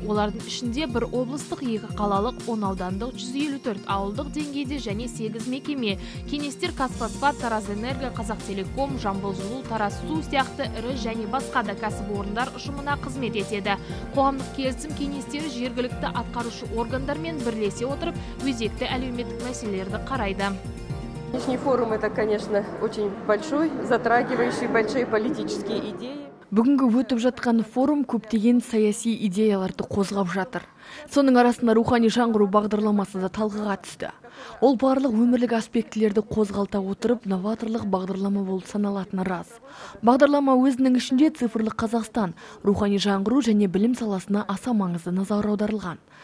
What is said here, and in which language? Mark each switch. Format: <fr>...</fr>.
<kk>Олардың ішінде бір облыстық, екі қалалық, 10 аудандық, 154 ауылдық деңгейде және 8 мекеме. Кеңестер Қазфосфат, Таразэнерго, Қазақтелеком, Жамбылжылу, Тарассу сияқты ірі және басқа да кәсіпорындар ұжымына қызмет етеді. Қоғамдық келісім кеңестері жергілікті атқарушы органдармен бірлесе отырып, өзекті әлеуметтік мәселелерді қарайды.</kk> <ru>Нынешний форум – это, конечно, очень большой, затрагивающий большие политические идеи.</ru> <kk>Бүгінгі өтіп жатқан форум көптеген саяси идеяларды қозғап жатыр. Соның арасында рухани жаңғыру бағдарламасы да талқыға түсті. Ол барлық өмірлік аспектілерді қозғалта отырып, новаторлық бағдарлама болып саналатыны рас. Бағдарлама өзінің ішінде цифрлық Қазақстан, рухани жаңғыру және білім саласына аса маңызды назар аударылған.</kk>